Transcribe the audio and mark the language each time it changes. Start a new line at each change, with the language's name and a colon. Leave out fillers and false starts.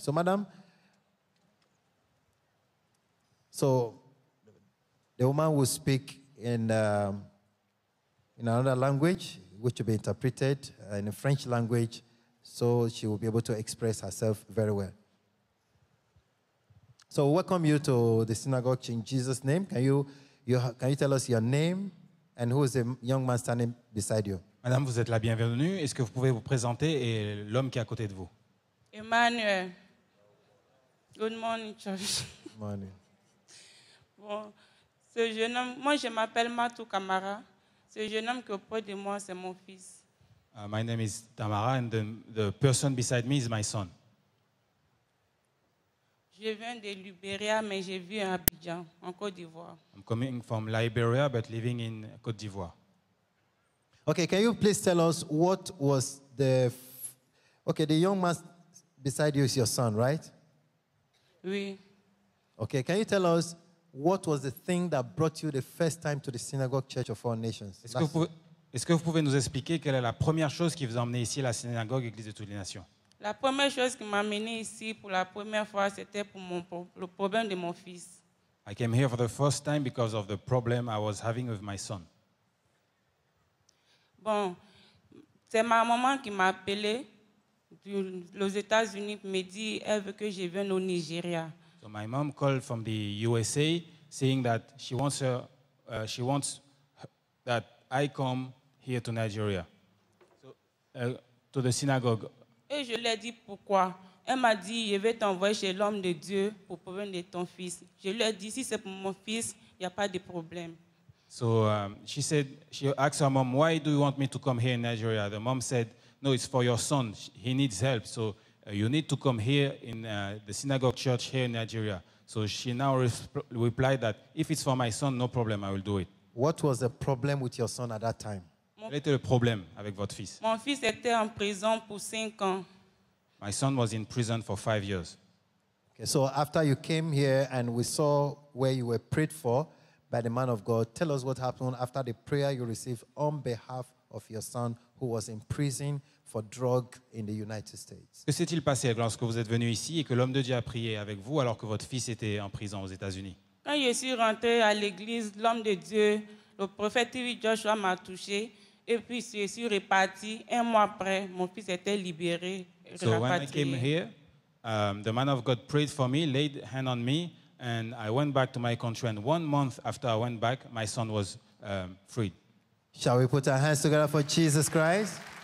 English: So, madam, so the woman will speak in another language, which will be interpreted in a French language, so she will be able to express herself very well. So, welcome you to the synagogue in Jesus' name. Can you tell us your name and who is the young man standing beside you?
French: Madame, vous êtes la bienvenue. Est-ce que vous pouvez vous présenter et l'homme qui est à côté de vous?
English: Emmanuel. Good morning, church. Good morning.
French: Bon, ce jeune homme, moi je m'appelle Matu Kamara. Ce jeune homme qui est auprès de moi, c'est mon fils.
English: My name is Tamara and the person beside me is my son.
French: Je viens de Liberia, mais j'ai vu à Abidjan, en Côte d'Ivoire.
English: I'm coming from Liberia, but living in Côte d'Ivoire. Okay, can you please tell us what was the... the young man beside you is your son, right?
French: Oui.
English: Okay, can you tell us what was the thing that brought you the first time to the Synagogue Church of Four Nations?
French: Est-ce que vous pouvez nous expliquer quelle est la première chose qui vous a amené ici à la Synagogue Église de toutes les nations? La première chose qui m'a amené ici pour la première fois, c'était pour le problème de mon fils.
English: I came here for the first time because of the problem I was having with my son.
French: Bon, c'est ma maman qui m'a appelé aux États-Unis pour me dire elle veut que je vienne au Nigeria.
English: So my mom called from the USA saying that she wants that I come here to Nigeria. So to the synagogue.
French: Et je lui ai dit pourquoi. Elle m'a dit je vais t'envoyer chez l'homme de Dieu pour problème de ton fils. Je lui ai dit si c'est pour mon fils, il y a pas de problème.
English: So she asked her mom, why do you want me to come here in Nigeria? The mom said, No, it's for your son. He needs help. So you need to come here in the synagogue church here in Nigeria. So she now replied that if it's for my son, no problem, I will do it. What was the problem with your son at that time?
French: Quel était le problème avec votre fils? Mon fils était en prison pour 5 ans.
English: My son was in prison for 5 years. Okay, so after you came here and we saw where you were prayed for by the man of God, tell us what happened after the prayer you received on behalf of your son who was in prison for drug in the United States.
French: Que s'est-il passé lorsque vous êtes venu ici et que l'homme de Dieu a prié avec vous alors que votre fils était en prison aux États-Unis? Quand je suis rentré à l'église, l'homme de Dieu, le prophète Joshua m'a touché. Et puis je suis reparti un mois après, mon fils était libéré.
English: So when I came here, the man of God prayed for me, laid hand on me, and I went back to my country. And 1 month after I went back, my son was freed. Shall we put our hands together for Jesus Christ?